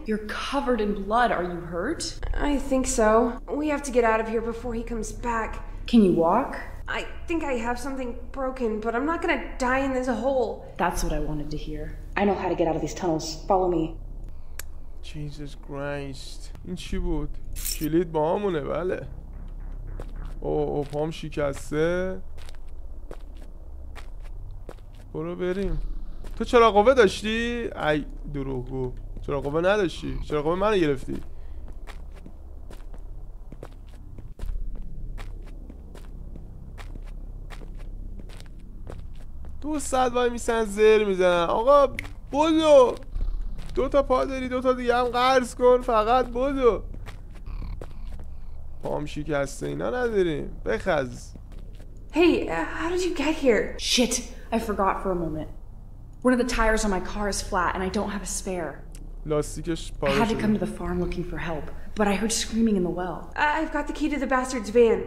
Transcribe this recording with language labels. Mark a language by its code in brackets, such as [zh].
[en] You're covered in blood. Are you hurt? I think so. We have to get out of here before he comes back. Can you walk? I think I have something broken, but I'm not gonna die in this hole. That's what I wanted to hear. I know how to get out of these tunnels. Follow me. Jesus Christ. [fa] این چی بود؟ کلید با همونه، بله. اوه، پام شکسته. برو بریم. تو چرا قوه داشتی؟ ای دروغگو. چرا قوه نداشتی؟ چرا قوه منو گرفتی؟ دو ساعت وای میسن زر میزنن. آقا بودو دو تا پا داری، دو تا دیگه هم قرض کن، فقط بودو. پام شکسته اینا نداریم، بخز. [en] Hey, how did you get here? Shit, I forgot for a moment. One of the tires on my car is flat and I don't have a spare. [fa] لاستیکش پاره شده. [en] I had to come to the farm looking for help, but I heard screaming in the well. I've got the key to the bastard's van.